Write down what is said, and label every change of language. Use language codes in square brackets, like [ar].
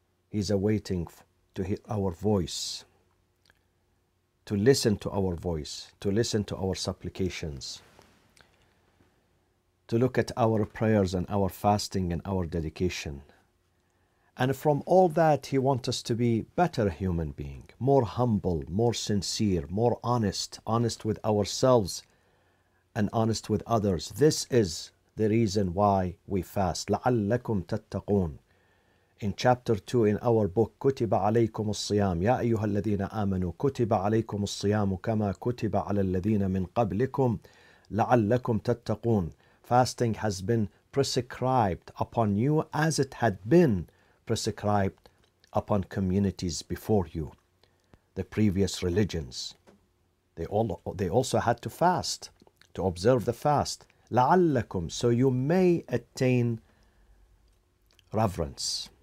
[en] He's awaiting to hear our voice, to listen to our voice, to listen to our supplications, to look at our prayers and our fasting and our dedication. And from all that, He wants us to be better human being, more humble, more sincere, more honest, honest with ourselves and honest with others. This is the reason why we fast. [ar] لَعَلَّكُمْ تَتَّقُونَ. [en] In chapter 2 in our book, [ar] كُتِبَ عَلَيْكُمُ الصِّيَامُ يَا أَيُّهَا الَّذِينَ آمَنُوا كُتِبَ عَلَيْكُمُ الصِّيَامُ كَمَا كُتِبَ عَلَى الَّذِينَ مِنْ قَبْلِكُمْ لَعَلَّكُمْ تَتَّقُونَ. [en] Fasting has been prescribed upon you as it had been prescribed upon communities before you, the previous religions. They also had to fast, to observe the fast. [ar] لَعَلَّكُمْ, [en] so you may attain reverence.